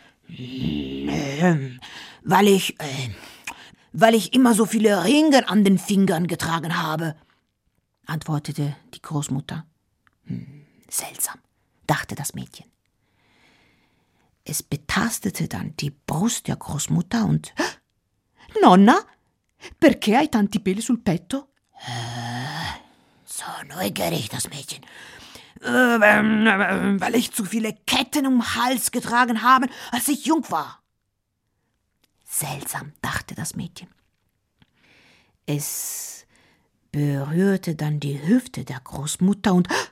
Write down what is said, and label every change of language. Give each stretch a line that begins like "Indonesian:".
German: Weil ich immer so viele Ringe an den Fingern getragen habe«, antwortete die Großmutter. Seltsam, dachte das Mädchen. Es betastete dann die Brust der Großmutter und...
Italian: »Nonna, perché hai tanti peli sul petto?«
German: »So neugierig, das Mädchen. Weil ich zu viele Ketten um Hals getragen habe, als ich jung war.« Seltsam, dachte das Mädchen. Es berührte dann die Hüfte der Großmutter und...